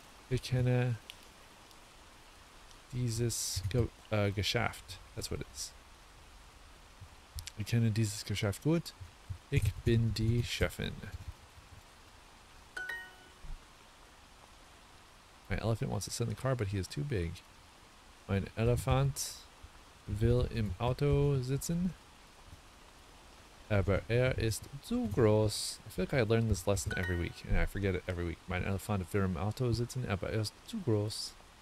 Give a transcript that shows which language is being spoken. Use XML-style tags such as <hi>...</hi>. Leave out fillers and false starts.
<de>Ich kenne dieses Geschäft.</de> <en>That's what it is.</en> <de>Ich kenne dieses Geschäft gut. Ich bin die Chefin.</de> <en>My elephant wants to sit in the car, but he is too big.</en> <de>Mein Elefant will im Auto sitzen, aber ist zu groß.</de> <en>I feel like I learn this lesson every week, and I forget it every week.</en> <de>Mein Elefant will im Auto sitzen, aber ist zu groß.</de>